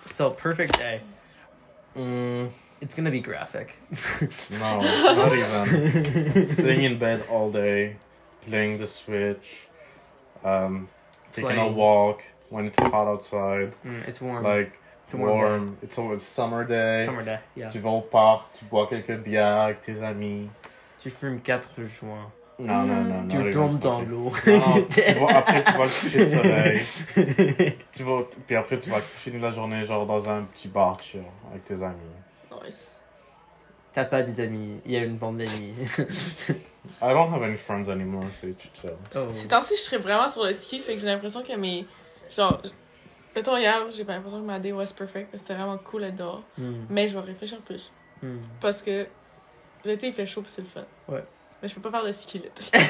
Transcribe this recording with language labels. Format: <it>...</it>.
<en>So, perfect day. It's gonna be graphic. No, not even. Sitting in bed all day, playing the Switch, taking a walk when it's hot outside. It's warm. Like, it's warm. It's always summer day. Summer day, yeah.</en> <fr>Tu vas au parc, tu bois quelques bières avec tes amis. Tu fumes 4 joints. Non, tu tombes dans l'eau. Non, après tu vas coucher le soleil. Tu vas, puis après tu vas finir la journée genre dans un petit bar, tu vois, avec tes amis.</fr> <en>Nice.</en> <fr>T'as pas des amis, il y a une bande d'amis.</fr> <en>I don't have any friends anymore, so you tell.</en> <fr>Ces temps-ci, je serais vraiment sur le ski, fait que j'ai l'impression que mes. Genre, mettons hier, j'ai pas l'impression que ma</fr> <en>day was perfect,</en> <fr>mais c'était vraiment cool à dehors. Mais je vais réfléchir plus. Parce que l'été, il fait chaud, puis c'est le fun. Ouais. Mais je peux pas faire le ski l'été.</fr>